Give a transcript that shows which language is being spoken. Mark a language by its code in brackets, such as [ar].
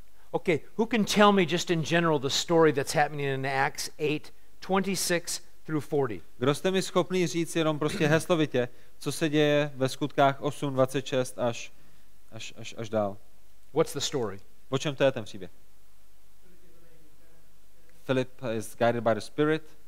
[en] Okay, who can tell me just in general the story that's happening in Acts 8? 26 through 40. [cs] Kdo jste mi schopný říct jenom prostě heslovitě, co se děje ve Skutkách 8, 26 až dál? [en] What's the story? [cs] O čem to je ten příběh? [en] Philip is guided by the Spirit.